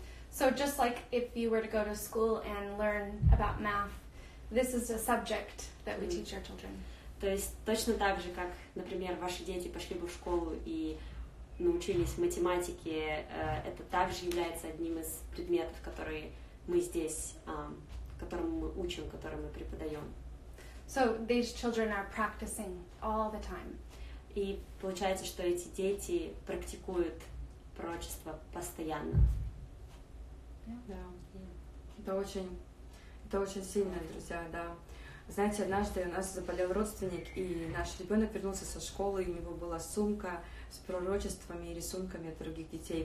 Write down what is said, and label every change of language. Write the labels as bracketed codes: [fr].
[en] So just like if you were to go to school and learn about math, this is a subject that we teach our children. [ru] То есть точно так же, как, например, ваши дети пошли бы в школу и научились математике, это также является одним из предметов, которые мы здесь, которому мы учим, которому мы преподаем. [en] So these children are practicing all the time. [ru] И получается, что эти дети практикуют пророчество постоянно. Да, это очень сильно, друзья, да. Знаете, однажды у нас заболел родственник, и наш ребенок вернулся со школы, и у него была сумка с пророчествами и рисунками от других детей.